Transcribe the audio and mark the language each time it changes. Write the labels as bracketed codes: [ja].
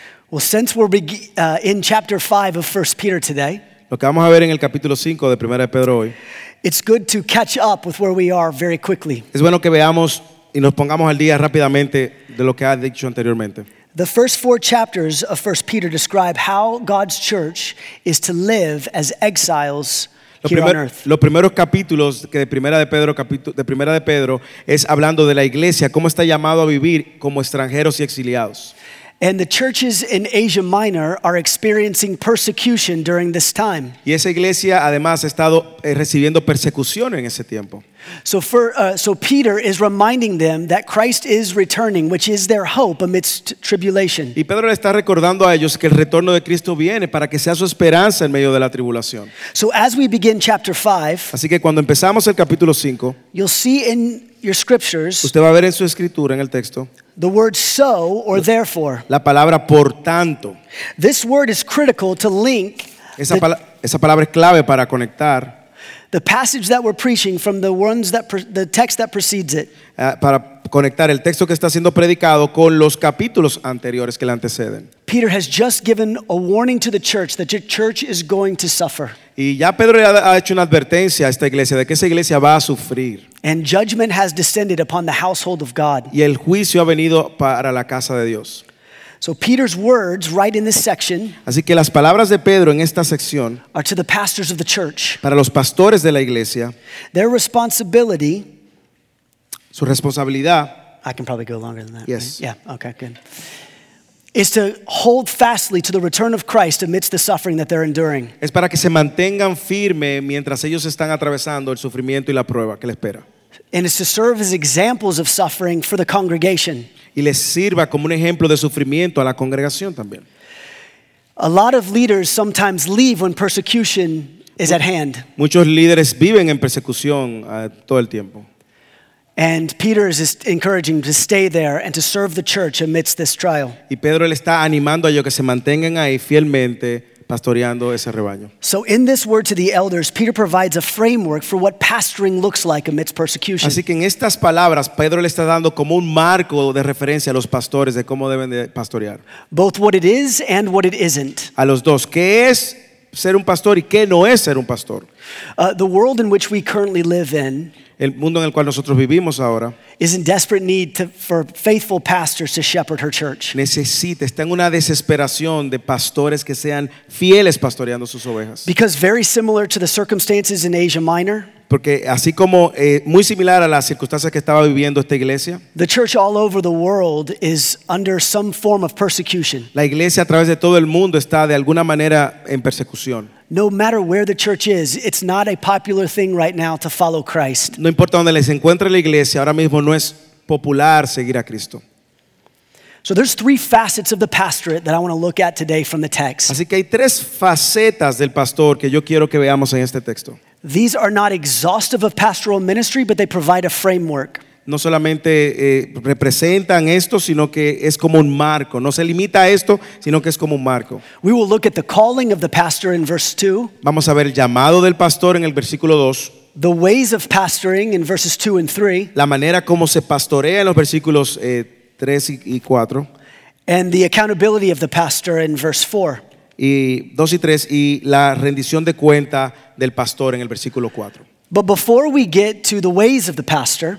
[en] Well, since we're in chapter 5 of 1 Peter today, [es] lo que vamos a ver en el capítulo 5 de Primera de Pedro hoy, [en] it's good to catch up with where we are very quickly. [es] Es bueno que veamos y nos pongamos al día rápidamente de lo que ha dicho anteriormente. [en] The first four chapters of 1 Peter describe how God's church is to live as exiles here on earth. [es] Los primeros capítulos que de Primera de Pedro es hablando de la iglesia, cómo está llamado a vivir como extranjeros y exiliados. [en] And the churches in Asia Minor are experiencing persecution during this time. [es] Y esa iglesia además ha estado recibiendo persecución en ese tiempo. [en] So Peter is reminding them that Christ is returning, which is their hope amidst tribulation. [es] Y Pedro le está recordando a ellos que el retorno de Cristo viene para que sea su esperanza en medio de la tribulación. [en] So as we begin chapter 5, [es] así que cuando empezamos el capítulo 5, [en] you'll see in your scriptures, [es] usted va a ver en su escritura, en el texto, [en] the word so or therefore. [es] La palabra por tanto. [en] This word is critical to link. [es] Esa palabra es clave para conectar. [en] The passage that we're preaching from the ones that the text that precedes it. [es] Para conectar el texto que está siendo predicado con los capítulos anteriores que le anteceden. [en] Peter has just given a warning to the church that your church is going to suffer. [es] Y ya Pedro ha hecho una advertencia a esta iglesia de que esa iglesia va a sufrir. [en] And judgment has descended upon the household of God. [es] Y el juicio ha venido para la casa de Dios. [en] So Peter's words right in this section, [es] así que las palabras de Pedro en esta sección, [en] are to the pastors of the church. [es] Para los pastores de la iglesia, [en] their responsibility, [es] su responsabilidad, [en] I can probably go longer than that. Yes. Right? Yeah, okay, good. Is to hold fastly to the return of Christ amidst the suffering that they're enduring. [es] Es para que se mantengan firme mientras ellos están atravesando el sufrimiento y la prueba que les espera. [en] And is to serve as examples of suffering for the congregation. [es] Y les sirva como un ejemplo de sufrimiento a la congregación también. [en] A lot of leaders sometimes leave when persecution is at hand. [es] Muchos líderes viven en persecución todo el tiempo. [en] And Peter is encouraging to stay there and to serve the church amidst this trial. [es] Y Pedro le está animando a ellos que se mantengan ahí fielmente pastoreando ese rebaño. [en] So in this word to the elders, Peter provides a framework for what pastoring looks like amidst persecution. [es] Así que en estas palabras, Pedro le está dando como un marco de referencia a los pastores de cómo deben de pastorear. [en] Both what it is and what it isn't. [es] A los dos, ¿qué es ser un pastor y qué no es ser un pastor? [en] The world in which we currently live in, [es] el mundo en el cual nosotros vivimos ahora, [en] is in desperate need for faithful pastors to shepherd her church. [es] Necesita, está en una desesperación de pastores que sean fieles pastoreando sus ovejas. [en] Because very similar to the circumstances in Asia Minor, [es] porque así como muy similar a las circunstancias que estaba viviendo esta iglesia, [en] the church all over the world is under some form of persecution. [es] La iglesia a través de todo el mundo está de alguna manera en persecución. [en] No matter where the church is, it's not a popular thing right now to follow Christ. [es] No importa donde se encuentre la iglesia, ahora mismo no es popular seguir a Cristo. [en] So there's three facets of the pastorate that I want to look at today from the text. [es] Así que hay tres facetas del pastor que yo quiero que veamos en este texto. [en] These are not exhaustive of pastoral ministry, but they provide a framework. [es] No solamente representan esto, sino que es como un marco. No se limita a esto, sino que es como un marco. [en] We will look at the calling of the pastor in verse 2. [es] Vamos a ver el llamado del pastor en el versículo 2. [en] The ways of pastoring in verses 2 and 3. [es] La manera como se pastorea en los versículos 3 y 4. [en] And the accountability of the pastor in verse 4. [es] Y 2 y 3, y la rendición de cuenta del pastor en el versículo 4. [en] But before we get to the ways of the pastor,